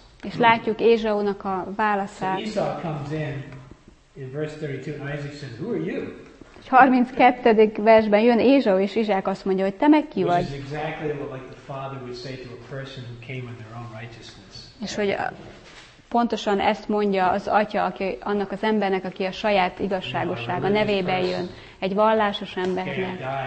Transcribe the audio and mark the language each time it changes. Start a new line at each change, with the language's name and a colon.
Hungarian: És látjuk Ézsaúnak a válaszát.
English: So Esau comes in verse 32, and Isaac says, "Who are you?"
Hungarian: 32. versben jön Ézsau, és Izsák azt mondja, hogy te meg ki vagy.
English: Which is exactly what like the father would say to a person who came in their own righteousness.
Hungarian: És hogy pontosan ezt mondja az atya, aki annak az embernek, aki a saját igazságossága nevében jön, egy vallásos embernek.